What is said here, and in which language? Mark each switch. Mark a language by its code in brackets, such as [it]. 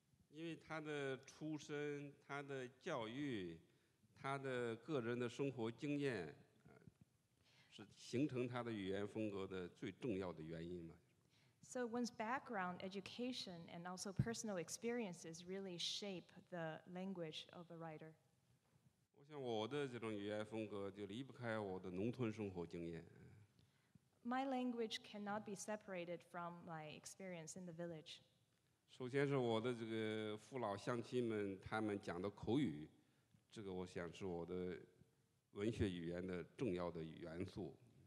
[zh] 因为他的出身，他的教育，他的个人的生活经验，是形成他的语言风格的最重要的原因嘛。 [en] So one's background, education, and also personal experiences really shape the language of a writer. [zh] 我想我的这种语言风格就离不开我的农村生活经验。 [en] My language cannot be separated from my experience in the village. [zh] 首先是我的这个父老乡亲们他们讲的口语。这个我想是我的文学语言的重要的元素。